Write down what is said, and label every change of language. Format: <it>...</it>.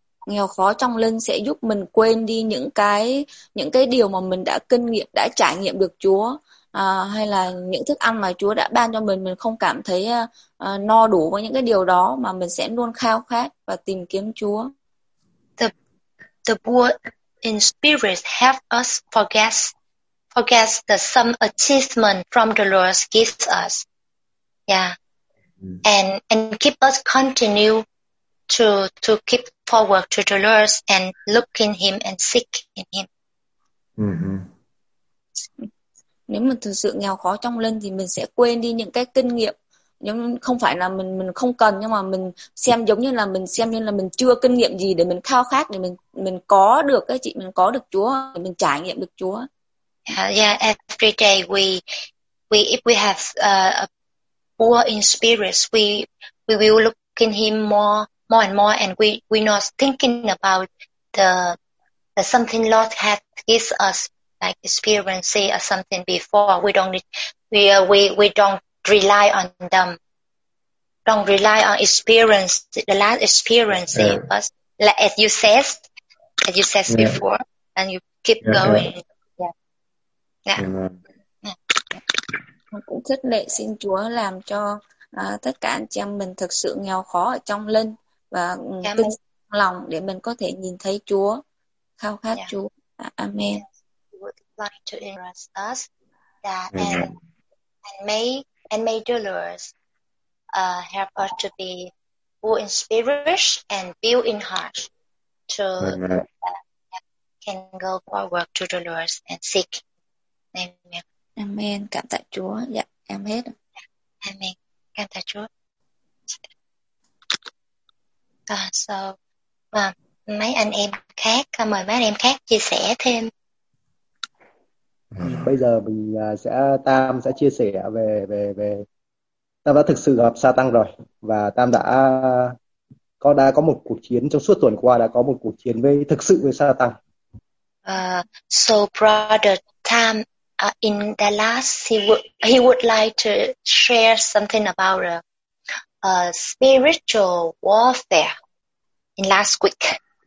<vi>Nghèo khó trong linh sẽ giúp mình quên đi những cái điều mà mình đã kinh nghiệm, đã trải nghiệm được Chúa, hay là những thức ăn mà Chúa đã ban cho mình không cảm thấy no đủ với những cái điều đó, mà mình sẽ luôn khao khát và tìm kiếm Chúa.</vi> <en>The poor in spirit have us forget the some achievement from the Lord gives us. Yeah. And keep us continue to keep forward to the Lord and look in him and seek in him. Mm-hmm.</en> <vi>Nếu mình thực sự nghèo khó trong linh thì mình sẽ quên đi những cái kinh nghiệm, nhưng không phải là mình không cần, nhưng mà mình xem giống như là mình chưa kinh nghiệm gì để mình khao khát, để mình có được cái chị, mình có được Chúa, để mình trải nghiệm được Chúa.</vi> <en>Every day we if we have a poor in spirit, we will look in him more and more, and we not thinking about the something Lord has given us, like experience or something before. We don't rely on them. Don't rely on experience, the last experience. Yeah. But like, as you said yeah. before, and you keep yeah, going. Yeah. Yeah. Yeah. Yeah.</en> <vi>Con cũng khích lệ xin Chúa làm cho tất cả anh chị em mình thực sự nghèo khó ở trong linh và tin trong lòng để mình có thể nhìn thấy Chúa, khao khát yeah. Chúa. Amen.</vi> <en>Yes. Would like to interest us that and may the Lord help us to be full in spirit and build in heart to can go forward to the Lord and seek. Amen.</en> <vi>Amen. Cảm tạ Chúa. Dạ, em hết. Amen. Cảm tạ Chúa. Mấy anh em khác, mời mấy anh em khác chia sẻ thêm. Bây giờ mình sẽ Tam sẽ chia sẻ về Tam đã thực sự gặp Satan rồi và Tam đã có một cuộc chiến trong suốt tuần qua đã có một cuộc chiến với thực sự với Satan.</vi> <en>So brother Tam. In the last, he would like to share something about a spiritual warfare in last week.</en>